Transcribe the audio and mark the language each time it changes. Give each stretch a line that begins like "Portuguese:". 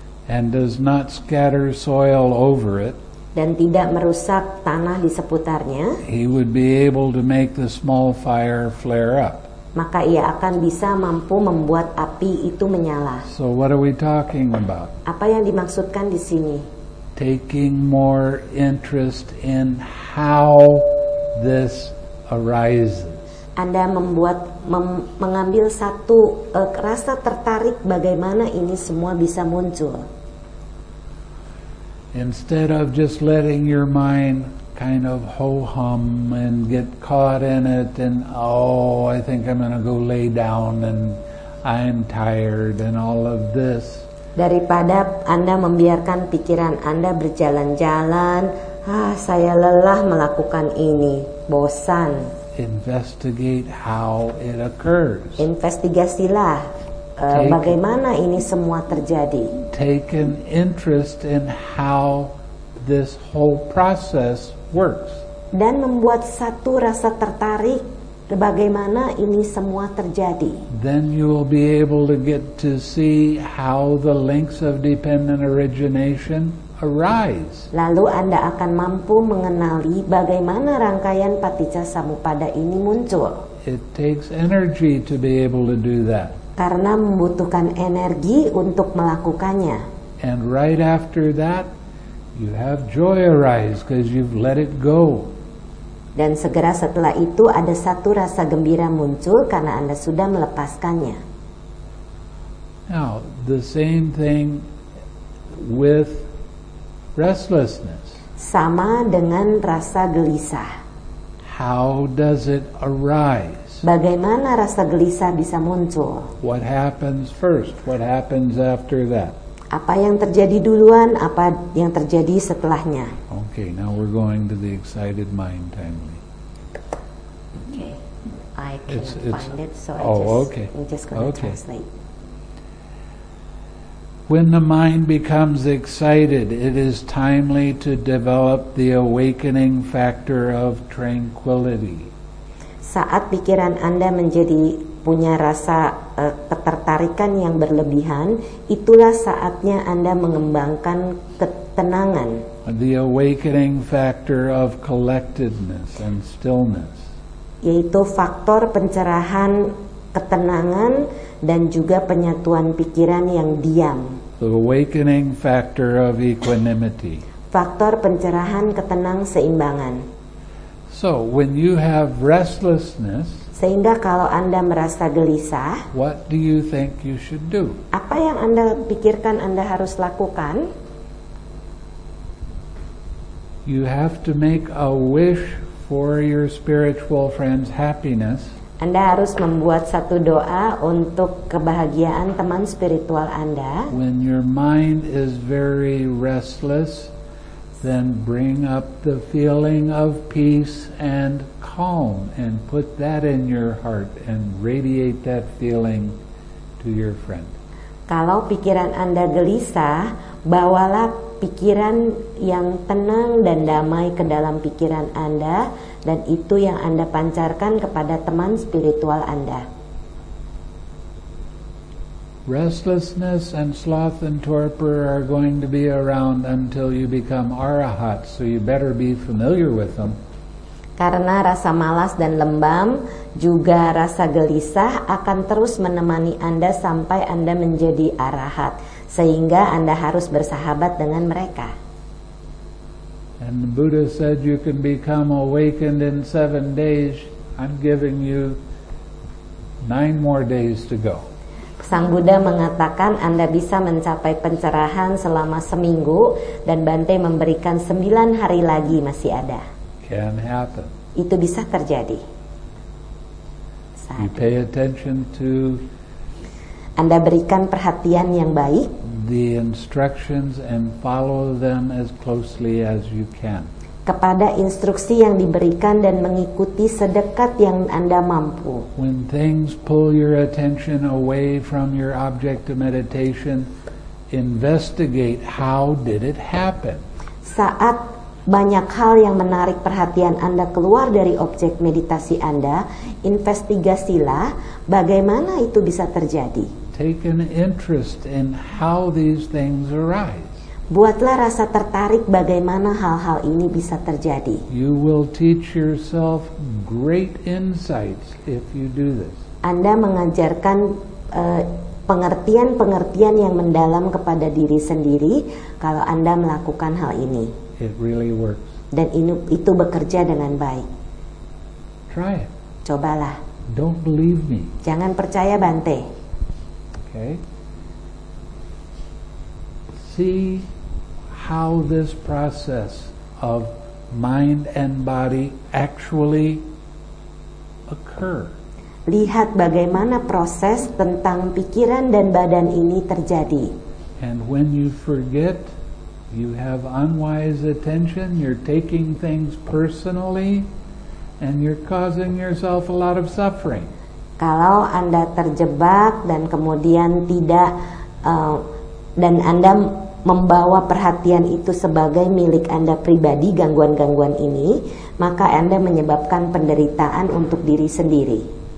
English: And does not scatter soil over it.
Indonesian: Dan tidak merusak tanah di seputarnya.
English: He would be able to make the small fire flare up.
Indonesian: Maka ia akan bisa mampu membuat api itu menyala.
English: So what are we talking about?
Indonesian: Apa yang dimaksudkan di sini?
English: Taking more interest in how this arises.
Indonesian: Anda membuat mengambil satu rasa tertarik bagaimana ini semua bisa muncul.
English: Instead of just letting your mind kind of ho-hum and get caught in it and oh, I think I'm going to go lay down and I'm tired and all of this.
Indonesian: Daripada Anda membiarkan pikiran Anda berjalan-jalan, ah, saya lelah melakukan ini, bosan.
English: Investigate how it occurs.
Indonesian: Investigasilah. Bagaimana ini semua terjadi?
English: Take an interest in how this whole process works.
Indonesian: Dan membuat satu rasa tertarik bagaimana ini semua terjadi.
English: Then you will be able to get to see how the links of dependent origination arise.
Indonesian: Lalu Anda akan mampu mengenali bagaimana rangkaian paticca-samuppada ini muncul.
English: It takes energy to be able to do that.
Indonesian: Karena membutuhkan energi untuk melakukannya.
English: And right after that, you have joy arise because you've let it go.
Indonesian: Dan segera setelah itu ada satu rasa gembira muncul karena Anda sudah melepaskannya.
English: Now, the same thing with restlessness.
Indonesian: Sama dengan rasa gelisah.
English: How does it arise?
Indonesian: Bagaimana rasa gelisah bisa muncul?
English: What happens first? What happens after that?
Indonesian: Apa yang terjadi duluan? Apa yang terjadi setelahnya?
English: Okay, now we're going to the excited mind timely. Okay, I cannot I'm just going to translate. When the mind becomes excited, it is timely to develop the awakening factor of tranquility.
Indonesian: Saat pikiran Anda menjadi punya rasa ketertarikan yang berlebihan, itulah saatnya Anda mengembangkan ketenangan.
English: The awakening factor of collectedness and stillness.
Indonesian: Yaitu faktor pencerahan ketenangan dan juga penyatuan pikiran yang diam.
English: The awakening factor of equanimity.
Indonesian: Faktor pencerahan ketenang seimbangan.
English: So when you have restlessness,
Indonesian: sehingga kalau Anda merasa gelisah,
English: what do you think you should do?
Indonesian: Apa yang Anda pikirkan Anda harus lakukan?
English: You have to make a wish for your spiritual friend's happiness.
Indonesian: Anda harus membuat satu doa untuk kebahagiaan teman spiritual Anda.
English: When your mind is very restless, then bring up the feeling of peace and calm and put that in your heart and radiate that feeling to your friend.
Indonesian: Kalau pikiran Anda gelisah, bawalah pikiran yang tenang dan damai ke dalam pikiran Anda dan itu yang Anda pancarkan kepada teman spiritual Anda.
English: Restlessness and sloth and torpor are going to be around until you become arahat, so you better be familiar with them.
Indonesian: Karena rasa malas dan lembam, juga rasa gelisah akan terus menemani Anda sampai Anda menjadi arahat, sehingga Anda harus bersahabat dengan mereka.
English: And the Buddha said you can become awakened in 7 days. I'm giving you 9 more days to go.
Indonesian: Sang Buddha mengatakan Anda bisa mencapai pencerahan selama seminggu dan Bante memberikan 9 hari lagi masih ada.
English: Can happen.
Indonesian: Itu bisa terjadi.
English: You pay attention to
Indonesian: Anda berikan perhatian yang baik.
English: The instructions and follow them as closely as you can.
Indonesian: Kepada instruksi yang diberikan dan mengikuti sedekat yang Anda mampu.
English: When things pull your attention away from your object of meditation, investigate how did it happen.
Indonesian: Saat banyak hal yang menarik perhatian Anda keluar dari objek meditasi Anda, investigasilah bagaimana itu bisa terjadi.
English: Take an interest in how these things arise.
Indonesian: Buatlah rasa tertarik bagaimana hal-hal ini bisa terjadi.
English: You will teach yourself great insights if you do this.
Indonesian: Anda mengajarkan pengertian-pengertian yang mendalam kepada diri sendiri kalau Anda melakukan hal ini.
English: It really works.
Indonesian: Dan itu bekerja dengan baik.
English: Try it.
Indonesian: Cobalah.
English: Don't believe me.
Indonesian: Jangan percaya Bante.
English: Okay. See how this process of mind and body actually occur.
Indonesian: Lihat bagaimana proses tentang pikiran dan badan ini terjadi.
English: And when you forget, you have unwise attention, you're taking things personally, and you're causing yourself a lot of suffering.
Indonesian: Kalau Anda terjebak dan kemudian tidak dan Anda membawa perhatian itu sebagai milik Anda pribadi, gangguan-gangguan ini, maka Anda menyebabkan penderitaan untuk diri sendiri.